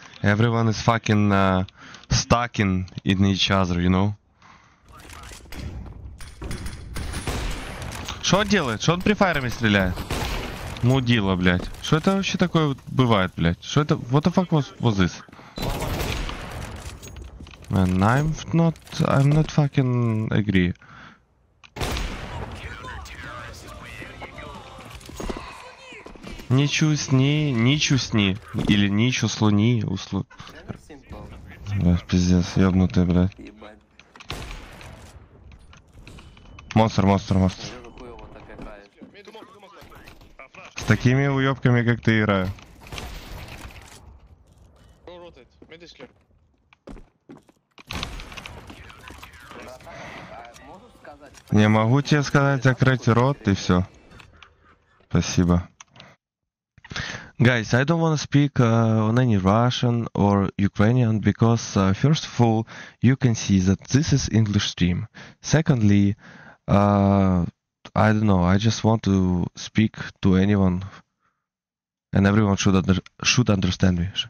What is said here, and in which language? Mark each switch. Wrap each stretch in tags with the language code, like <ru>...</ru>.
<en>Everyone is fucking stuck in each other, you know?</en> <ru>Что делает? Что он префайрами стреляет? Мудила, блядь. Что это вообще такое бывает, блядь? Что это?</ru> <en>What the fuck was this? Man, I'm not fucking agree. Ничу сни. Или ничу слуни, услу.</en> <ru>Блять, пиздец, ёбнутый, блядь. Монстр. С такими уёбками, как ты, играю. Не могу тебе сказать, закрыть рот и все. Спасибо.</ru> <en>Guys, I don't want to speak on any Russian or Ukrainian because, first of all, you can see that this is English stream. Secondly, I don't know, I just want to speak to anyone and everyone should understand me.</en>